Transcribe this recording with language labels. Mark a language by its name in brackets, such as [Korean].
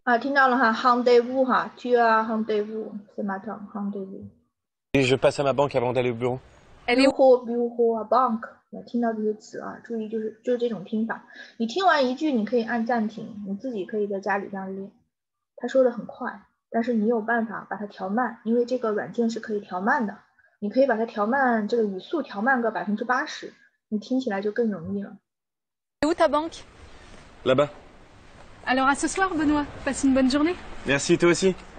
[Chinese] 啊，听到了哈， [French] rendez-vous 哈，tu as rendez-vous ce matin，rendez-vous。 Et je passe à ma banque avant d'aller au bureau. Elle est où? [Chinese] Bureau, banque。听到这些词啊，注意就是这种听法。你听完一句，你可以按暂停，你自己可以在家里这样练。他说的很快，但是你有办法把它调慢，因为这个软件是可以调慢的。你可以把它调慢，这个语速调慢个80%，你听起来就更容易了。 [French] Où ta banque? Là-bas. Alors à ce soir, Benoît, passe une bonne journée. Merci, toi aussi.